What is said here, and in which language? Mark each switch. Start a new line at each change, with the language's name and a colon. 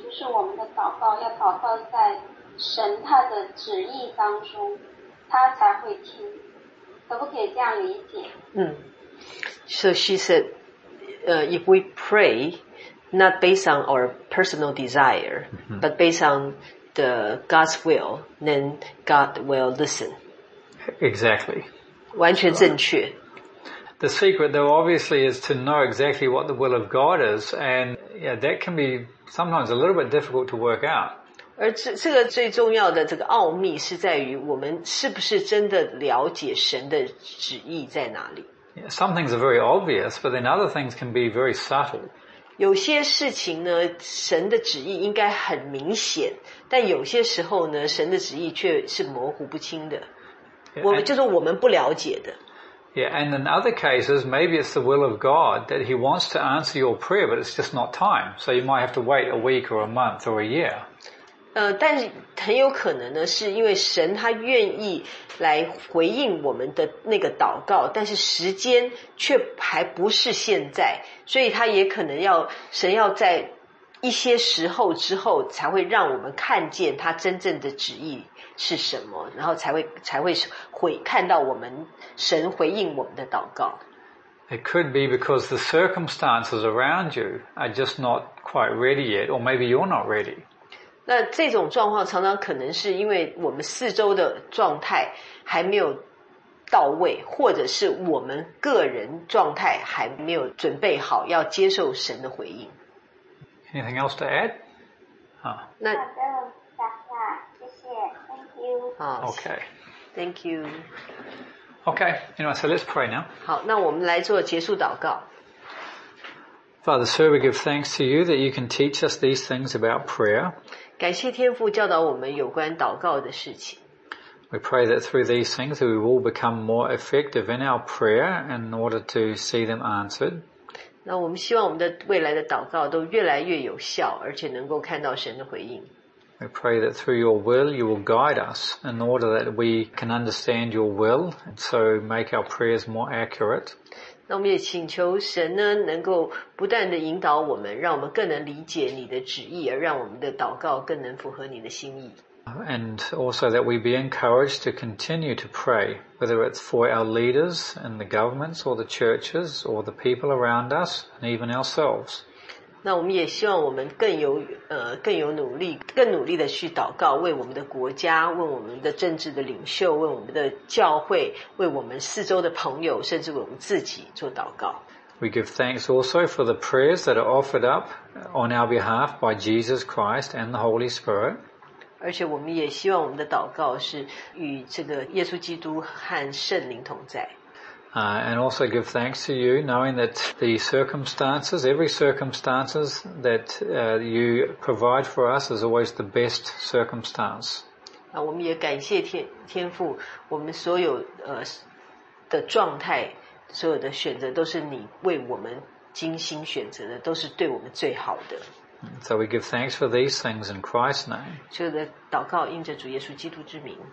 Chinese: 就是我们的祷告要祷告在神他的旨意当中，他才会听。可不可以这样理解？嗯。
English: So she said, if we pray, not based on our personal desire,、mm-hmm. but based on the God's will, then God will listen. Exactly.
Chinese: 完全正确、
English: right. The secret, though, obviously, is to know exactly what the will of God is, and yeah, that can be sometimes a little bit difficult to work out.
Chinese: 而这个最重要的这个奥秘是在于我们是不是真的了解神的旨意在哪里。
English: Some things are very obvious, but then other things can be very subtle.
Chinese: 有些事情呢，神的旨意应该很明显，但有些时候呢，神的旨意却是模糊不清的。我们就是我们不了解的。
English: Yeah, and in other cases, maybe it's the will of God that He wants to answer your prayer, but it's just not time. So you might have to wait a week or a month or a year.
Chinese: 但很有可能呢是因为神他愿意来回应我们的那个祷告，但是时间却还不是现在，所以他也可能要神要在一些时候之后才会让我们看见他真正的旨意是什么，然后才会看到我们神回应我们的祷告。
English: It could be because the circumstances around you are just not quite ready yet, or maybe you're not ready.
Chinese: 那这种状况常常可能是因为我们四周的状态还没有到位，或者是我们个人状态还没有准备好要接受神的回应。
English: Anything else to add? 那
Chinese: 好的，谢谢 ，
English: Thank you. Okay. Thank you. Okay. Anyway, so let's pray now.
Chinese: 好，那我们来做结束祷告。
English: Father, sir, we give thanks to you that you can teach us these things about prayer.
Chinese: 感谢天父教导我们有关祷告的事情。
English: We pray that through these things we will become more effective in our prayer in order to see them answered.
Chinese: 那我们希望我们的未来的祷告都越来越有效，而且能够看到神的回应。
English: We pray that through your will, you will guide us in order that we can understand your will and so make our prayers more accurate.
Chinese: 那我们也请求神呢，能够不断地引导我们，让我们更能理解你的旨意，而让我们的祷告更能符合你的心意。
English: And also that we be encouraged to continue to pray, whether it's for our leaders and the governments or the churches or the people around us and even ourselves.
Chinese: 那我们也希望我们更有努力，更努力地去祷告，为我们的国家，为我们的政治的领袖，为我们的教会，为我们四周的朋友，甚至为我们自己做祷告。
English: We give thanks also for the prayers that are offered up on our behalf by Jesus Christ and the Holy Spirit.
Chinese: 而且我们也希望我们的祷告是与这个耶稣基督和圣灵同在。
English: And also give thanks to you, knowing that the circumstances, every circumstances that you provide for us is always the best circumstance.
Chinese: 我们也感谢 天父，我们所有的状态，所有的选择都是你为我们精心选择的，都是对我们最好的。
English: So we give thanks for these things in Christ's name.
Chinese: 所有的祷告应着主耶稣基督之名。